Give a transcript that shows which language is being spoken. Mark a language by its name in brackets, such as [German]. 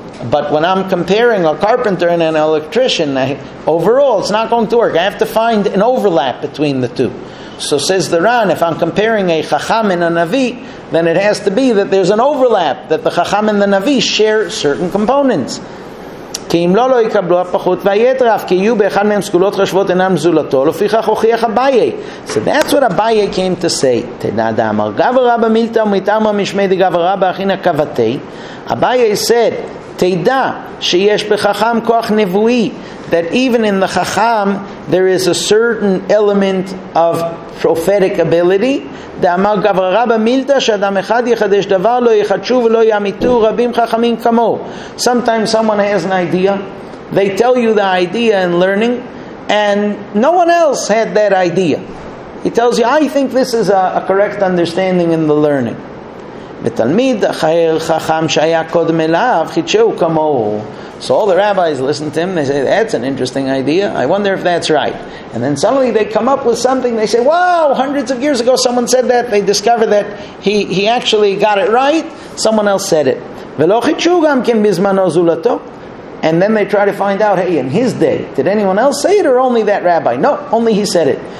[English] But when I'm comparing a carpenter and an electrician, overall, it's not going to work. I have to find an overlap between the two. So says the Ran, if I'm comparing a Chacham and a Navi, then it has to be that there's an overlap, that the Chacham and the Navi share certain components. [Hebrew] כי אם לא לא יקבלו הפחות והיתר אף כי יהיו באחד מהם סגולות חשבות אינם זולתו לפיכך הוכיח אביי. [English] So that's what אביי came to say. [Hebrew] תדע דאמר גבר רבה מילתא ומתאמר משמי דגבר רבה אחינה קוותי. [English] אביי said, [Hebrew] תדע שיש בחכם כוח נבואי, [English] that even in the חכם there is a certain element of prophetic ability. [Hebrew] דאמר גבר רבה מילתא שאדם אחד יחדש דבר לא יחדשו ולא יעמיתו רבים חכמים כמו. [English] Sometimes someone has an idea, they tell you the idea in learning and no one else had that idea. He tells you, I think this is a correct understanding in the learning. [Hebrew] ותלמיד אחר חכם שהיה קודם אליו חידשו כמוהו. [English] So all the rabbis listen to him, they say, that's an interesting idea, I wonder if that's right. And then suddenly they come up with something, they say, wow, hundreds of years ago someone said that, they discover that he actually got it right, someone else said it. [Hebrew] ולא חידשו גם כן בזמנו זולתו. [English] And then they try to find out, hey, in his day, did anyone else say it or only that rabbi? No, only he said it.